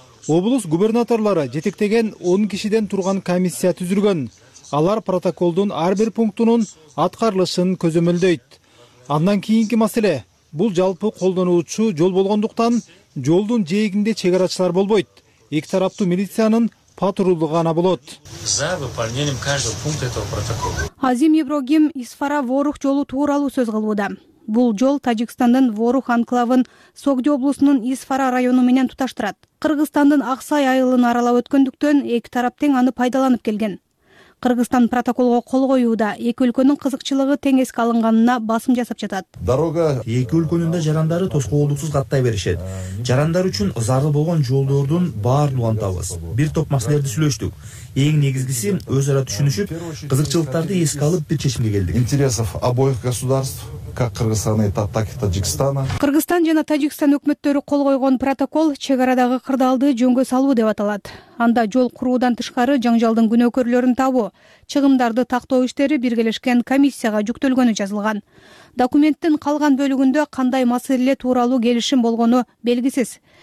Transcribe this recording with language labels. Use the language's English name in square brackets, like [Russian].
[Kyrgyz] Облус губернаторлору жетектеген 10 кишиден турган комиссия түзүлгөн. алар протоколдун ар бир пунктунун аткарылышын көзөмөлдөйт. Андан кийинки маселе бул жалпы колдонуучу жол болгондуктан жолдун жээгинде чек арачылар болбойт. Эки тараптуу милициянын патрулдугу гана болот. [Russian] За выполнением каждого пункта этого протокола. [Kyrgyz] Азим Иброгим Исфара Ворух жолу тууралуу сөз кылууда. Бул жол Тажикстандын Ворух анклавын Согди облусунун Исфара району менен туташтырат. Кыргызстандын Аксай айылын аралап өткөндүктөн эки тарап тең аны пайдаланып келген. Кыргызстан протоколго кол коюуда эки өлкөнүн кызыкчылыгы тең эске алынганына басым жасап жатат. [Russian] Дорога [Kyrgyz] эки өлкөнүн да жарандары тоскоолдуксуз каттай беришет. Жарандар үчүн зарыл болгон жолдордун баарын улантабыз. Бир топ маселелерди сүйлөштүк. Эң негизгиси өз ара түшүнүшүп, кызыкчылыктарды эске алып бир чечимге келдик. [Russian] Интересов обоих государств, как Кыргызстана и Таджикстана. [Kyrgyz] Кыргызстан жана Таджикстан өкмөттөрү кол койгон протокол чек арадагы кырдаалды жөнгө салуу деп аталат. Анда жол куруудан тышкары жаңжалдын күнөөкөрлөрүн табуу, чыгымдарды тактоо иштери биргелешкен комиссияга жүктөлгөнү жазылган. Документтин калган бөлүгүндө кандай маселе тууралуу келишим болгону белгисиз.